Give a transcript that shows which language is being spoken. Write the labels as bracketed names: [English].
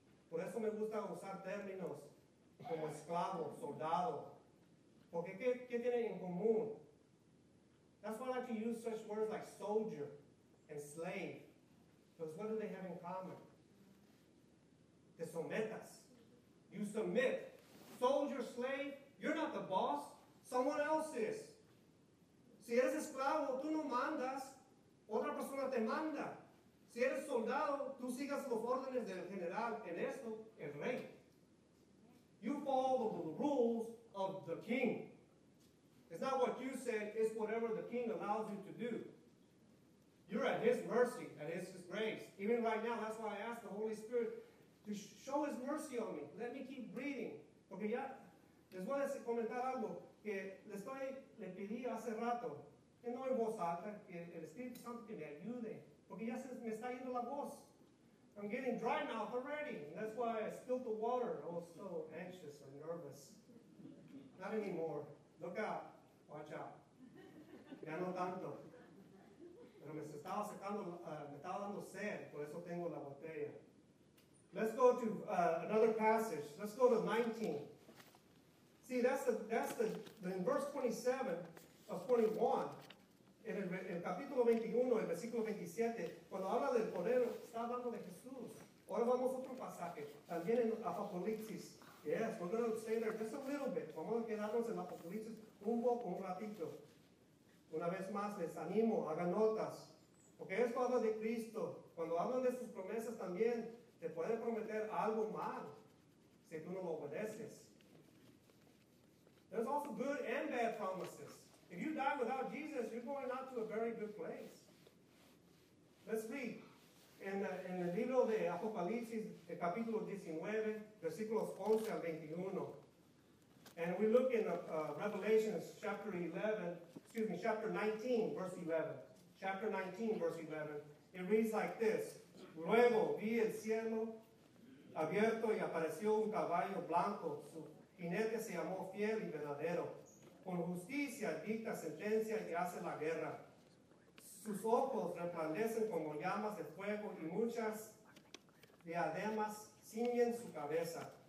[Spanish] Por eso me gusta usar términos como esclavo, soldado. Porque ¿qué tienen en común? [English] That's why I like to use such words like soldier and slave. Because what do they have in common? [Spanish] Te sometas. [English] You submit. Soldier, slave, you're not the boss. Someone else is. [Spanish] Si eres esclavo, tú no mandas. Otra persona te manda. Si eres soldado, tú sigas los órdenes del general. En esto, el rey. [English] You follow the rules of the king. It's not what you said, it's whatever the king allows you to do. You're at his mercy, at his grace. Even right now, that's why I ask the Holy Spirit to show his mercy on me. Let me keep breathing. [Spanish] Porque ya, les voy a comentar algo que le pedí hace rato. Que no en voz alta, que el Espíritu Santo que me ayude. Porque ya se me está yendo la voz. [English] I'm getting dry mouth already. And that's why I spilled the water. I was so anxious and nervous. Not anymore. Look out. Watch out. [Spanish] Ya no tanto. Pero me estaba sacando, me estaba dando sed. Por eso tengo la botella. [English] Let's go to another passage. Let's go to 19. See, in verse 27 of 21, [Spanish] en el capítulo 21, el versículo 27, cuando habla del poder, está hablando de Jesús. Ahora vamos a otro pasaje. También en Apocalipsis. [English] Yes, we're going to stay there just a little bit. [Spanish] Vamos a quedarnos en Apocalipsis un poco, un ratito. Una vez más, les animo, hagan notas. Porque esto habla de Cristo. Cuando hablan de sus promesas también, te pueden prometer algo mal si tú no lo obedeces. [English] There's also good and bad promises. If you die without Jesus, you're going out to a very good place. Let's read. [Spanish] En el libro de Apocalipsis, el capítulo 19, versículos 11 al 21. [English] And we look in Revelations chapter 11, excuse me, chapter 19, verse 11. Chapter 19, verse 11. It reads like this. [Spanish] Luego vi el cielo abierto y apareció un caballo blanco. Su jinete se llamó Fiel y Verdadero. Con justicia dicta sentencia y hace la guerra. Sus ojos resplandecen como llamas de fuego y muchas diademas ciñen su cabeza.